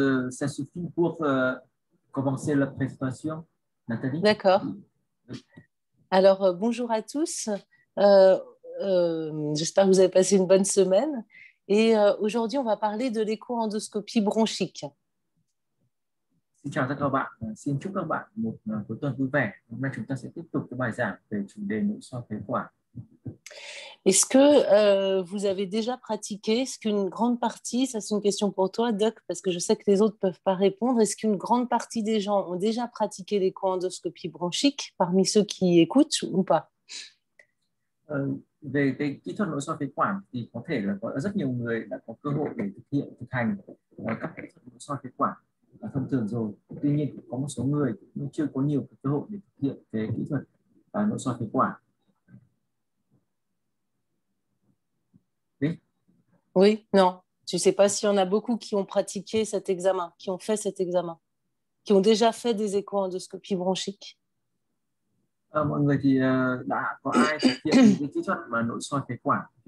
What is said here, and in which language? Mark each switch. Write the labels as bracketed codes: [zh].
[fr] Ça suffit pour commencer la présentation, Nathalie. D'accord. Alors, bonjour à tous. J'espère que vous avez passé une bonne semaine. Et aujourd'hui, on va parler de l'éco-endoscopie bronchique. [vi] Xin chào tất cả các bạn. Xin chúc các bạn một cuối tuần vui vẻ. Hôm nay chúng ta sẽ tiếp tục cái bài giảng về chủ đề nội soi phế quản. [fr] Est-ce que vous avez déjà pratiqué, est-ce qu'une grande partie, ça c'est une question pour toi, Doc, parce que je sais que les autres ne peuvent pas répondre, est-ce qu'une grande partie des gens ont déjà pratiqué l'éco-endoscopie bronchique parmi ceux qui écoutent ou pas? [vi] Về cái kỹ thuật nội soi phế quản thì có thể là có rất nhiều người đã có cơ hội để thực hiện thực hành các kỹ thuật nội soi phế quản thông thường rồi. Tuy nhiên cũng có một số người cũng chưa có nhiều cơ hội để thực hiện cái kỹ thuật nội soi phế quản. [fr] Oui, non. Tu sais pas s'il y en a beaucoup qui ont pratiqué cet examen, qui ont fait cet examen, qui ont déjà fait des échoendoscopies bronchiques. [vi] Mọi người thì đã có ai thực hiện những cái kỹ thuật mà nội soi phế quản?